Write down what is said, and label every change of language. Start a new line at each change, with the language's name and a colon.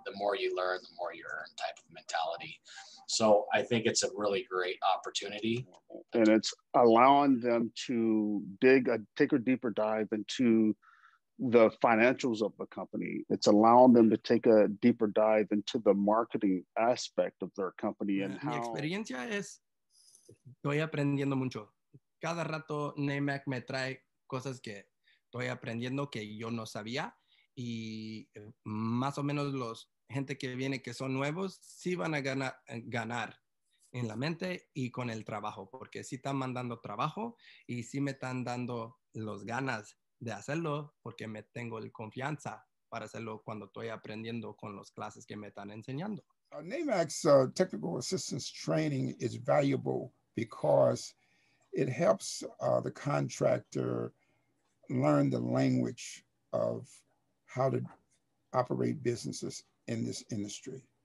English: The more you learn, the more you earn type of mentality. So I think it's a really great opportunity. And it's allowing them to take a deeper dive into the financials of the company. It's allowing them to take a deeper dive into the marketing aspect of their company and how.
Spanish: Mi experiencia es, estoy aprendiendo mucho. Cada rato NAMAC me trae cosas que estoy aprendiendo que yo no sabía, y más o menos los gente que viene que son nuevos sí van a ganar en la mente y con el trabajo, porque sí están mandando trabajo y sí me están dando los ganas de hacerlo, porque me tengo el confianza para hacerlo cuando estoy aprendiendo con los clases que me están enseñando.
English: NAMAC's technical assistance training is valuable because it helps the contractor learn the language of how to operate businesses in this industry.